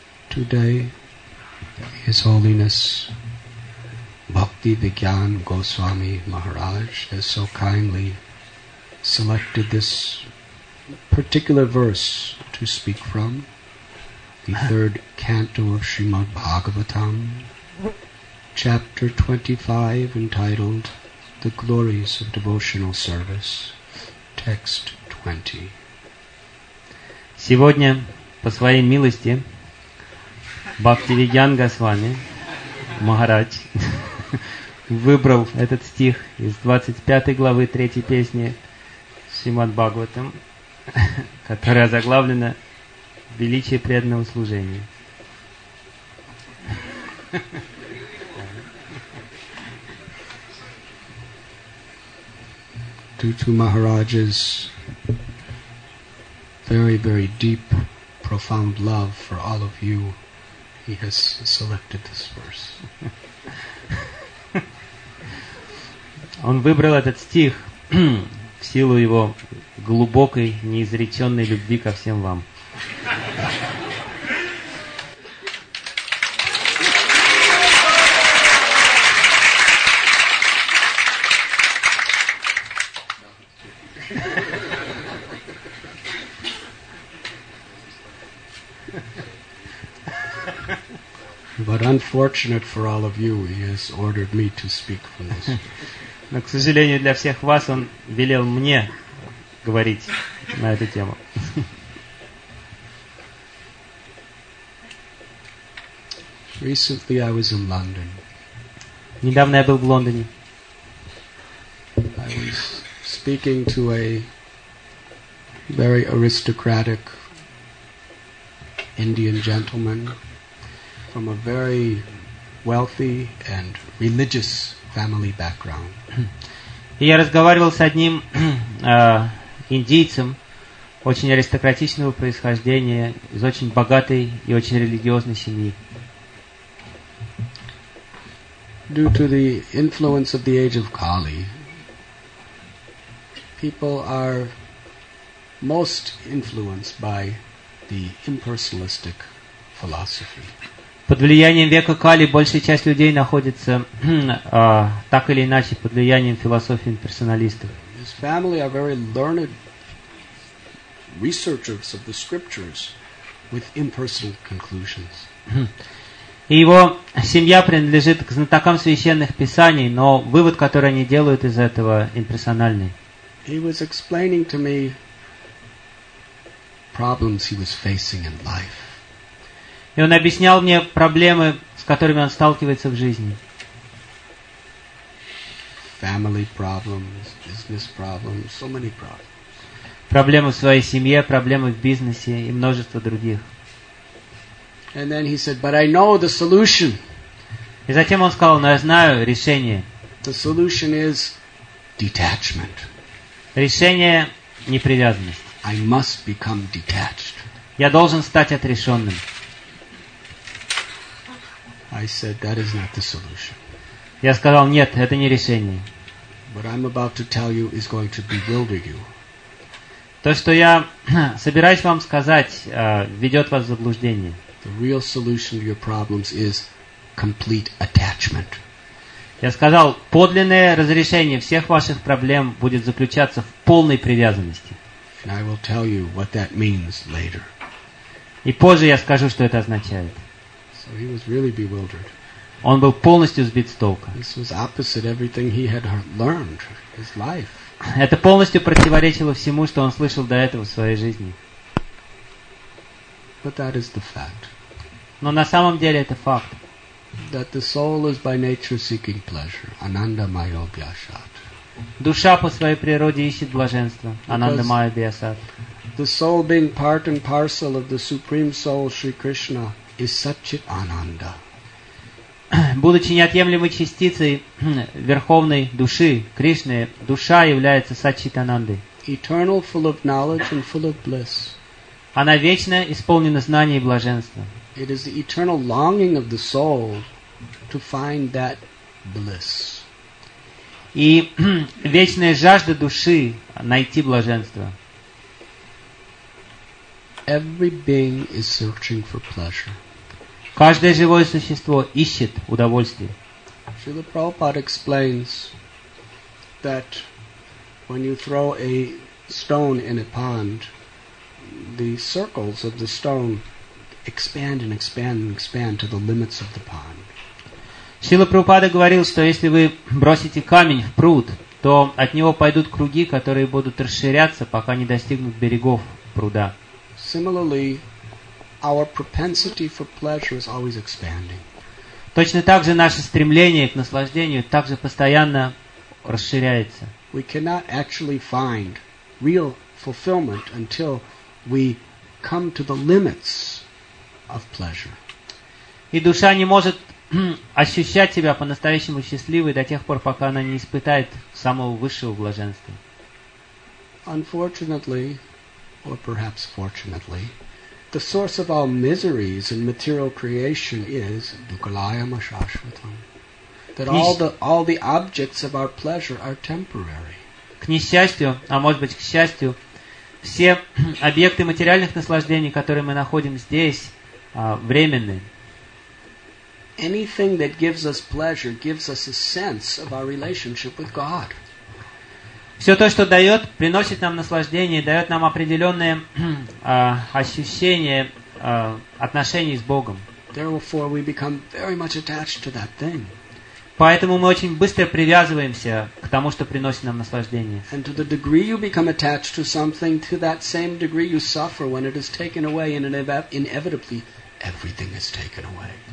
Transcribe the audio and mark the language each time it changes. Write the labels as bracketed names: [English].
[English] Today, His Holiness Bhakti Vigyan Goswami Maharaj has so kindly selected this particular verse to speak from, the third canto of Srimad Bhagavatam, chapter 25, entitled the glories of devotional service. Text 20. [Russian] Сегодня по своей милости Бхактивиджан Госвами Махарадж выбрал этот стих из 25 главы 3 песни Шримад Бхагаватам, которая заглавлена «Величие преданного служения». [English] Due to Maharaj's very, very deep, profound love for all of you, he has selected this verse. [Russian] Он выбрал этот стих в силу его глубокой, неизреченной любви ко всем вам. [English] But unfortunate for all of you, he has ordered me to speak from this. [Russian] Но, к сожалению, для всех вас он велел мне говорить на эту тему. [English] Recently I was in London. [Russian] Недавно я был в Лондоне. [English] I was speaking to a very aristocratic Indian gentleman from a very wealthy and religious family background. [Russian] И я разговаривал с одним индийцем очень аристократичного происхождения, из очень богатой и очень религиозной семьи. [English] Due to the influence of the age of Kali, people are most influenced by the impersonalistic philosophy. [Russian] Под влиянием века Кали большая часть людей находится так или иначе под влиянием философии имперсоналистов. [English] His family are very learned researchers of the scriptures with impersonal conclusions. [Russian] И его семья принадлежит к знатокам священных писаний, но вывод, который они делают из этого, имперсональный. [English] He was explaining to me problems he was facing in life. [Russian] И он объяснял мне проблемы, с которыми он сталкивается в жизни. [English] Family problems, business problems, so many problems. [Russian] Проблемы в своей семье, проблемы в бизнесе и множество других. [English] And then he said, "But I know the solution." [Russian] И затем он сказал, но я знаю решение. [English] The solution is detachment. [Russian] Решение – непривязанность. [English] I must become detached. [Russian] Я должен стать отрешенным. [English] I said that is not the solution. [Russian] Я сказал нет, это не решение. [English] What I'm about to tell you is going to bewilder you. [Russian] То, что я собираюсь вам сказать, ведет вас в заблуждение. [English] The real solution to your problems is complete attachment. [Russian] Я сказал, подлинное разрешение всех ваших проблем будет заключаться в полной привязанности. [English] And I will tell you what that means later. [Russian] И позже я скажу, что это означает. [English] So he was really bewildered. [Russian] Он был полностью сбит с толку. [English] This was opposite everything he had learned in his life. [Russian] Это полностью противоречило всему, что он слышал до этого в своей жизни. [English] But that is the fact. [Russian] Но на самом деле это факт. [English] That the soul is by nature seeking pleasure. [Sanskrit] Ananda maya vyasat. [Russian] Душа по своей природе ищет блаженство. [Sanskrit] Ananda maya vyasat. [English] The soul being part and parcel of the Supreme Soul, Sri Krishna, is Satchit Ananda. [Russian] Будучи неотъемлемой частицей Верховной Души Кришны, душа является Сатчит Анандой. [English] Eternal, full of knowledge and full of bliss. [Russian] Она вечно исполнена знаний и блаженства. [English] It is the eternal longing of the soul to find that bliss. [Russian] И вечная жажда души найти блаженство. [English] Every being is searching for pleasure. [Russian] Каждое живое существо ищет удовольствие. [English] Шрила Прабхупада explains that when you throw a stone in a pond, the circles of the stone expand and expand and expand to the limits of the pond. [Russian] Шрила Прабхупада говорил, что если вы бросите камень в пруд, то от него пойдут круги, которые будут расширяться, пока не достигнут берегов пруда. [English] Similarly, our propensity for pleasure is always expanding. [Russian] Точно так же наше стремление к наслаждению также постоянно расширяется. [English] We cannot actually find real fulfillment until we come to the limits of pleasure. [Russian] И душа не может ощущать себя по-настоящему счастливой до тех пор, пока она не испытает самого высшего блаженства. [English] Unfortunately, or perhaps fortunately, the source of all miseries in material creation is [Sanskrit] dukkhalayam ashashvatam. [English] That all the objects of our pleasure are temporary. [Russian] К несчастью, а может быть к счастью, все объекты материальных наслаждений, которые мы находим здесь, временны. [English] Anything that gives us pleasure gives us a sense of our relationship with God. [Russian] Все то, что дает, приносит нам наслаждение, дает нам определенное ощущение отношений с Богом. [English] Therefore, we become very much attached to that thing. [Russian] Поэтому мы очень быстро привязываемся к тому, что приносит нам наслаждение. [English] And to the degree you become attached to something, to that same degree you suffer when it is taken away, and inevitably everything is taken away.